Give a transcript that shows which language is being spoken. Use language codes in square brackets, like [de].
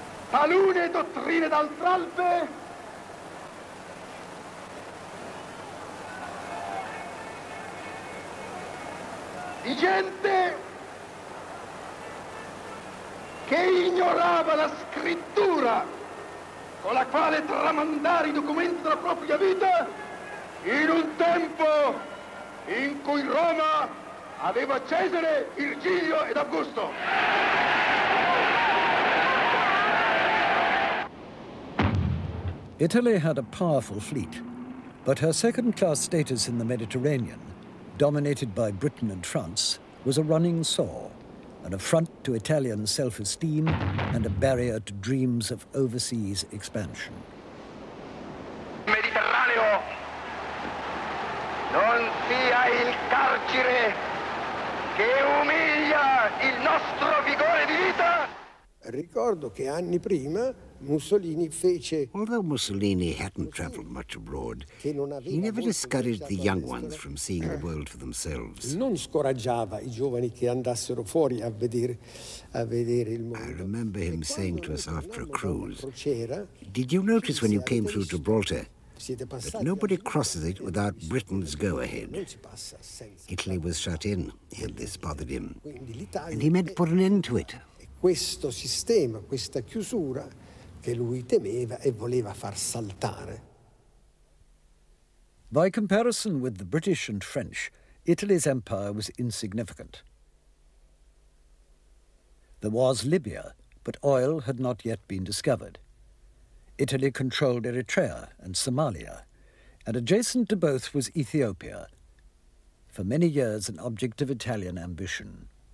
[it] Talune dottrine d'altr'alpe di gente che ignorava la scrittura con la quale tramandare i documenti della propria vita in un tempo in cui Roma aveva Cesare, Virgilio ed Augusto. [en] Italy had a powerful fleet, but her second-class status in the Mediterranean, dominated by Britain and France, was a running sore, an affront to Italian self-esteem and a barrier to dreams of overseas expansion. [it] Mediterraneo non sia il carcere che umilia il nostro vigore di vita. Ricordo che anni prima Mussolini fece. [en] Although Mussolini hadn't travelled much abroad, he never discouraged the young ones from seeing the world for themselves. [it] Non scoraggiava i giovani che andassero fuori a vedere il mondo. [en] I remember him saying to us after a cruise, "Did you notice when you came through Gibraltar that nobody crosses it without Britain's go-ahead?" Italy was shut in, and this bothered him. And he meant to put an end to it. [it] Questo sistema, questa chiusura, che lui temeva e voleva far saltare. [en] By comparison with the British and French, Italy's empire was insignificant. There was Libya, but oil had not yet been discovered. Italy controlled Eritrea and Somalia, and adjacent to both was Ethiopia, for many years an object of Italian ambition.